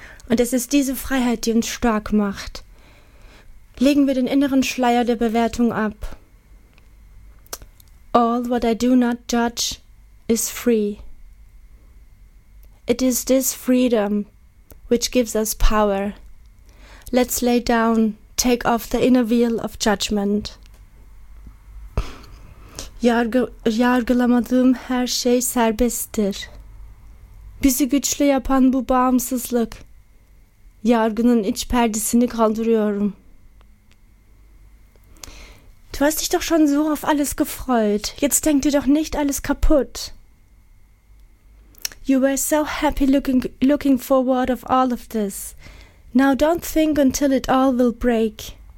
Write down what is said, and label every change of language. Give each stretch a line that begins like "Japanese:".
German: Und es ist diese Freiheit, die uns stark macht. Legen wir den inneren Schleier der Bewertung ab.
English: All what I do not judge is free. It is this freedom which gives us power. Let's lay down, take off the inner veil of judgment.
Turkish: Yargılamadığım her şey serbesttir. Bizi güçlü yapan bu bağımsızlık, yargının iç perdesini kaldırıyorum.
German: Du hast dich doch schon so auf alles gefreut. Jetzt denk dir doch nicht alles kaputt.
English: You were so happy looking forward of all of this. Now don't think until it all will break.